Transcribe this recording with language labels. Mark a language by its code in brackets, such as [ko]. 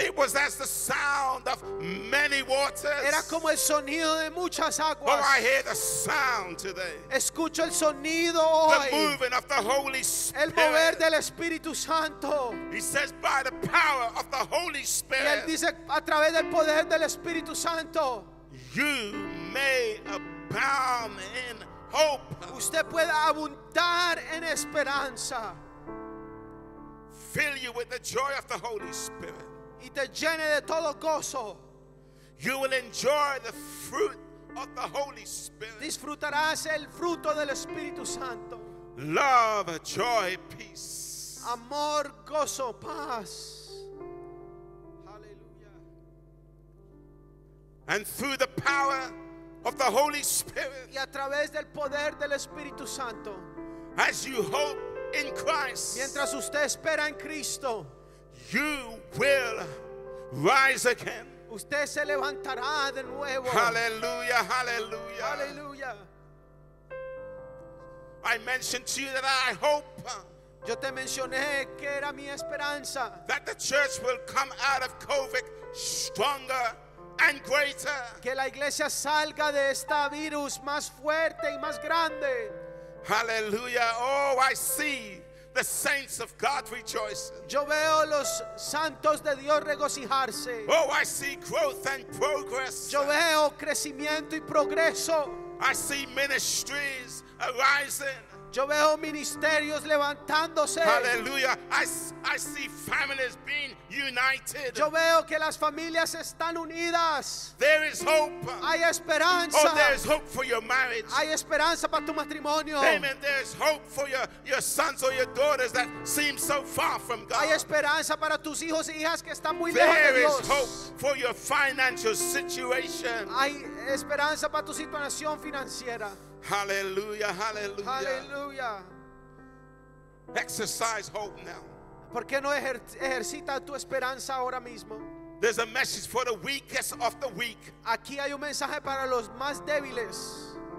[en] it was as the sound of many waters, [es] era como el sonido de muchas aguas. [en] Oh, I hear the sound today, [es] escucho el sonido hoy, [en] the moving of the Holy Spirit, [es] el mover del Espíritu Santo. [en] He says by the power of the Holy Spirit, [es] y él dice a través del poder del Espíritu Santo, [en] you may abound in hope, [es] usted puede abundar en esperanza. [en] Fill you with the joy of the Holy Spirit. [es] Y te llene de todo gozo. [en] You will enjoy the fruit of the Holy Spirit. [es] Disfrutarás el fruto del Espíritu Santo. [en] Love, joy, peace. [es] Amor, gozo, paz. Hallelujah. [en] And through the power of the Holy Spirit. [es] Y a través del poder del Espíritu Santo. [en] As you hope in Christ, [es] mientras usted espera en Cristo, [en] you will rise again. [es] Usted se levantará de nuevo. [en] Hallelujah, hallelujah, hallelujah. I mentioned to you that I hope, [es] yo te mencioné que era mi esperanza, [en] that the church will come out of COVID stronger and greater. [es] Que la iglesia salga de esta virus más fuerte y más grande. [en] Hallelujah. Oh, I see The saints of God rejoicing. [es] Yo veo los santos de Dios regocijarse. [en] Oh, I see growth and progress. [es] Yo veo crecimiento y progreso. [en] I see ministries arising. [es] Yo veo ministerios levantándose. [en] Hallelujah. I see families being united. [es] Yo veo que las familias están unidas. [en] There is hope. [es] Hay esperanza. [en] Oh, there is hope for your marriage. [es] Hay esperanza para tu matrimonio. [en] Amen. There is hope for your sons or your daughters that seem so far from God. [es] Hay esperanza para tus hijos e hijas que están muy lejos de Dios. [en] There is hope for your financial situation. [es] Hay esperanza para tu situación financiera. [en] Hallelujah, hallelujah. Hallelujah. Exercise hope now. [es] ¿Por qué no ejercita tu esperanza ahora mismo? [en] There's a message for the weakest of the weak. [es] Aquí hay un mensaje para los más débiles.